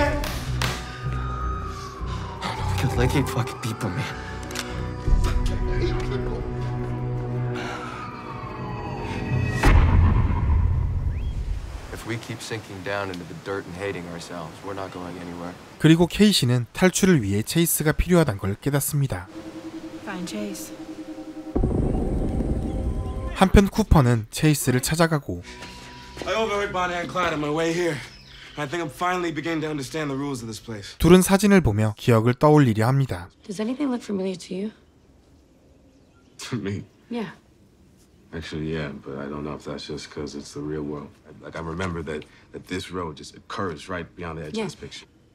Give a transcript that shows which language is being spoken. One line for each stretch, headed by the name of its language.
English: I don't know, because like eight fucking people, man. Eight people? If we keep sinking down into the dirt and hating ourselves, we're not going anywhere.
Korean: 그리고 케이시는 탈출을 위해 체이스가 필요하단 걸 깨닫습니다.
English: Find Chase.
Korean: 한편 쿠퍼는 체이스를 찾아가고
English: I hope everybody and Clyde on my way here. I think I'm finally beginning to understand the rules of this place.
Korean: 둘은 사진을 보며 기억을 떠올리려 합니다.
English: Does anything look familiar to you? To me? Yeah. Actually, yeah, but I don't know if that's just because it's the real world. Like, I remember that this road just occurs right beyond the edge of this picture.